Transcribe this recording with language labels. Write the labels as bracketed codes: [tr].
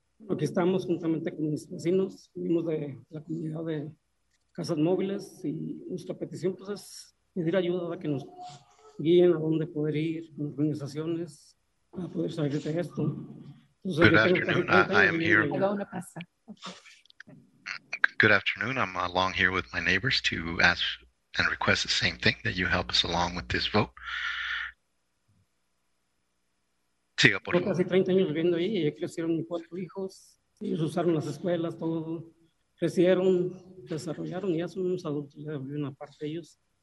[es] Aquí estamos juntamente con mis vecinos, venimos de la comunidad de casas móviles y nuestra petición pues es pedir ayuda a que nos guíen a dónde poder ir, con organizaciones, a poder salir de esto. [en] Entonces, good afternoon, I am here. Good afternoon, I'm along here with my neighbors to ask and request the same thing, that you help us along with this vote. [es] Siga, por favor. Casi 30 años viviendo ahí, y crecieron mis cuatro hijos, ellos usaron las escuelas, todo, crecieron, desarrollaron, y ya son unos adultos, ya viven aparte de ellos.